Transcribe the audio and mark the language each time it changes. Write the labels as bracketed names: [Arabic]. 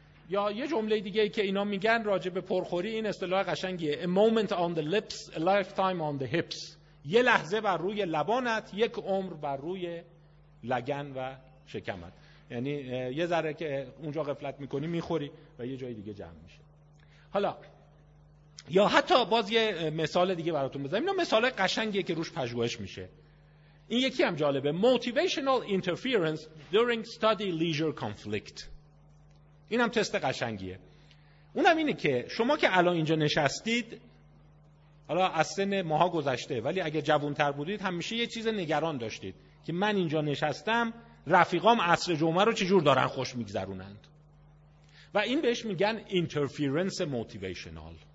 [Persian] یا یه جمله دیگه که اینا میگن راجع به پرخوری، این اصطلاح قشنگیه، [English] a moment on the lips, a lifetime on the hips، [Persian] یه لحظه بر روی لبانت، یک عمر بر روی لگن و شکمت. یعنی یه ذره که اونجا غفلت میکنی میخوری و یه جای دیگه جمع میشه. حالا یا حتی باز یه مثال دیگه براتون بزنم، اینا مثال قشنگیه که روش پژوهش میشه. این یکی هم جالبه، [English] motivational interference during study leisure conflict. [Persian] این هم تست قشنگیه. اونم اینه که شما که الان اینجا نشستید، حالا از سن ماها گذشته، ولی اگه جوان‌تر بودید همیشه یه چیز نگران داشتید که من اینجا نشستم رفیقام عصر جمعه رو چجور دارن خوش میگذرونند، و این بهش میگن [English] interference motivational.